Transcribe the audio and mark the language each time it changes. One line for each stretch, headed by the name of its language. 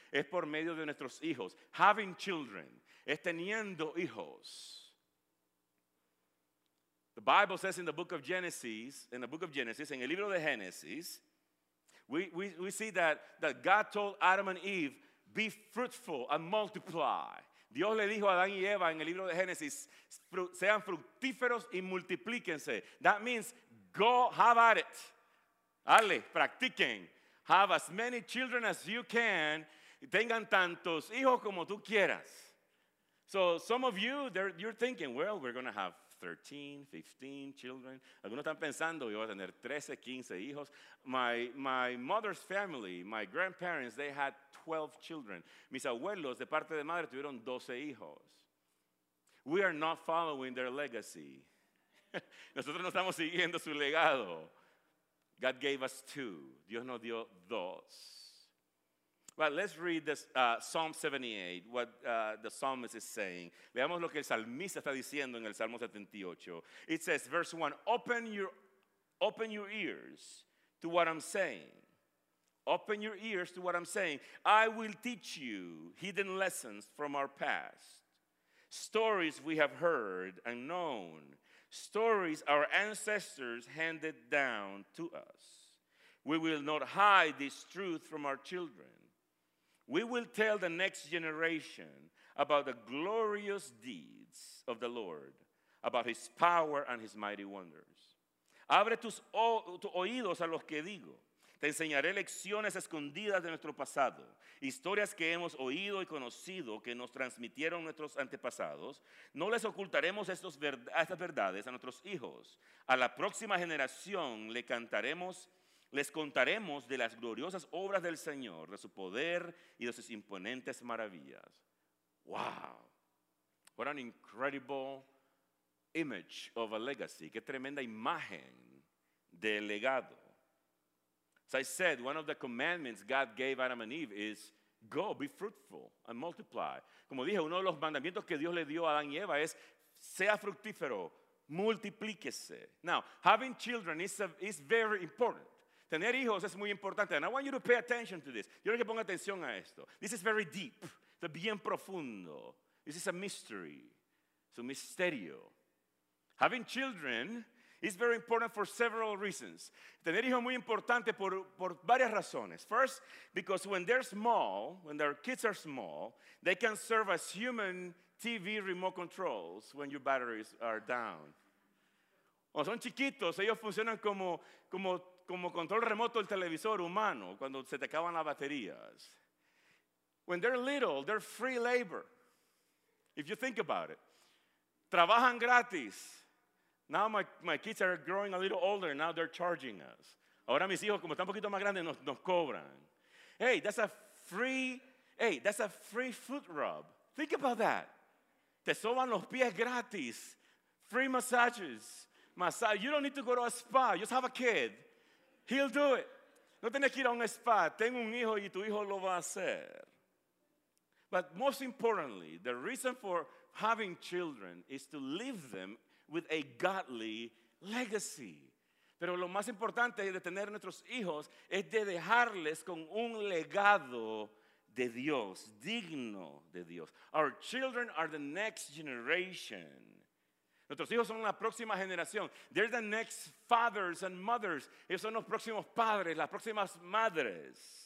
Spanish: Es por medio de nuestros hijos.
English: Having children
Spanish: es teniendo hijos.
English: The Bible says in
Spanish: el libro de Génesis,
English: we see that God told Adam and Eve, be fruitful and multiply.
Spanish: Dios le dijo a Adán y Eva en el libro de Génesis, sean fructíferos y multiplíquense.
English: That means go, have at it.
Spanish: Ale, practiquen.
English: Have as many children as you can.
Spanish: Tengan tantos hijos como tú quieras.
English: So some of you, you're thinking, well, we're going to have 13, 15 children.
Spanish: Algunos están pensando, yo voy a tener 13, 15 hijos.
English: My mother's family, my grandparents, they had 12 children.
Spanish: Mis abuelos, de parte de madre, tuvieron 12 hijos.
English: We are not following their legacy.
Spanish: Nosotros no estamos siguiendo su legado.
English: God gave us two.
Spanish: Dios nos dio dos.
English: Well, let's read this Psalm 78, what the psalmist is saying.
Spanish: Veamos lo que el salmista está diciendo en el Salmo 78.
English: It says, verse 1, open your ears to what I'm saying. Open your ears to what I'm saying. I will teach you hidden lessons from our past, stories we have heard and known, stories our ancestors handed down to us. We will not hide this truth from our children. We will tell the next generation about the glorious deeds of the Lord, about his power and his mighty wonders.
Spanish: Abre tus oídos a los que digo. Te enseñaré lecciones escondidas de nuestro pasado, historias que hemos oído y conocido que nos transmitieron nuestros antepasados. No les ocultaremos estas verdades a nuestros hijos. A la próxima generación les contaremos de las gloriosas obras del Señor, de su poder y de sus imponentes maravillas.
English: Wow. What an incredible image of a legacy.
Spanish: Qué tremenda imagen del legado.
English: As I said, one of the commandments God gave Adam and Eve is go, be fruitful and multiply.
Spanish: Como dije, uno de los mandamientos que Dios le dio a Adán y Eva es sea fructífero, multiplíquese.
English: Now, having children is very important.
Spanish: Tener hijos es muy importante.
English: And I want you to pay attention to this.
Spanish: Quiero que ponga atención a esto.
English: This is very deep.
Spanish: Es bien profundo.
English: This is a mystery. It's a
Spanish: misterio.
English: Having children is very important for several reasons.
Spanish: Tener hijos es muy importante por varias razones.
English: First, because when they're small, when their kids are small, they can serve as human TV remote controls when your batteries are down.
Spanish: O son chiquitos, ellos funcionan como control remoto del televisor humano cuando se te acaban las baterías.
English: When they're little, they're free labor. If you think about it,
Spanish: trabajan gratis.
English: Now my kids are growing a little older, and now they're charging us.
Spanish: Ahora mis hijos, como están un poquito más grandes, nos cobran.
English: Hey, that's a free foot rub. Think about that.
Spanish: Te soban los pies gratis.
English: Free massages. Massage. You don't need to go to a spa. Just have a kid. He'll do it.
Spanish: No tienes que ir a un spa. Ten un hijo y tu hijo lo va a hacer.
English: But most importantly, the reason for having children is to leave them with a godly legacy.
Spanish: Pero lo más importante de tener nuestros hijos es de dejarles con un legado de Dios, digno de Dios.
English: Our children are the next generation.
Spanish: Nuestros hijos son la próxima generación.
English: They're the next fathers and mothers.
Spanish: Ellos son los próximos padres, las próximas madres.